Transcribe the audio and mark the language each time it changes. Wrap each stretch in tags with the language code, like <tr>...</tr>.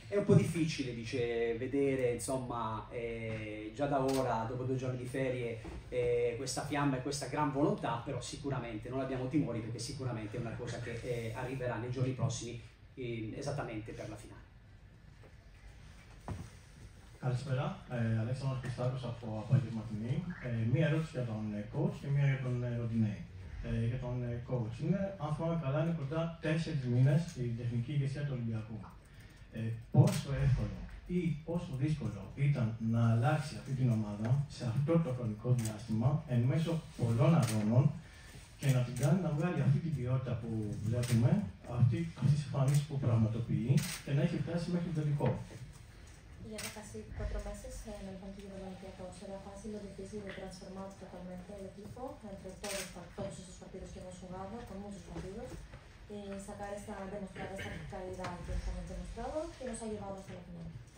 <it>È un po' difficile, dice, vedere insomma già da ora, dopo due giorni di ferie, questa fiamma e questa gran volontà, però sicuramente non abbiamo timori perché sicuramente è una cosa che arriverà nei giorni prossimi esattamente per la finale.</it> <el>Καλησπέρα, Αλέξανδρος Χριστάκος από Απαγγελματινή. Μία ερώτηση για τον coach και μία για τον Ροντινέη. Για τον coach, αν θυμάμαι καλά, είναι κοντά 4 μήνες στην τεχνική ηγεσία του Ολυμπιακού. Πόσο εύκολο ή πόσο δύσκολο ήταν να αλλάξει αυτή την ομάδα σε αυτό το χρονικό διάστημα, εν μέσω πολλών αγώνων, και να την κάνει να βγάλει αυτή την ποιότητα που βλέπουμε, αυτή τη εμφάνιση που πραγματοποιεί και να έχει φτάσει μέχρι το τελικό.</el> <es>Ya me casi 4 meses en el banquillo de Olympiacos. Era fácil o difícil de transformar totalmente el equipo entre todos esos partidos que hemos jugado, con muchos partidos, y sacar esta, demostrar esta calidad que hemos demostrado que nos ha llevado hasta la final.</es>